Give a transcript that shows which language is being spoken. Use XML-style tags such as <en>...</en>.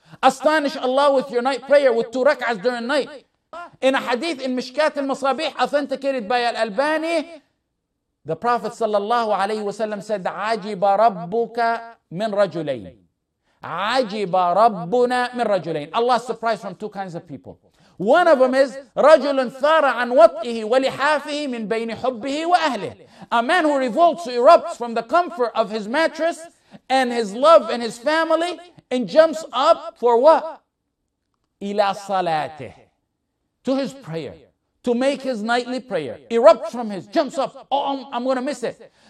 <en>Astonish Allah with your night prayer with 2 rak'ahs during night. In a hadith in Mishkat al-Masabih, authenticated by Al-Albani, the Prophet sallallahu alayhi wa sallam said,</en> <ar>عَجِبَ رَبُّكَ مِنْ رَجُلَيْنِ</ar> <en>عَجِبَ رَبُّنَا مِنْ رَجُلَيْنِ. Allah is surprised from 2 kinds of people. One of them is</en> <ar>رَجُلٌ ثَارَ عَنْ وَطْئِهِ وَلِحَافِهِ مِنْ بَيْنِ حُبِّهِ وَأَهْلِهِ.</ar> <en>A man who revolts, erupts from the comfort of his mattress and his love and his family and jumps up for what?</en> <ar>إِلَى صَلَاتِهِ.</ar> <en>To his prayer, to make his nightly prayer, erupts from his, jumps up, oh, I'm going to miss it.</en>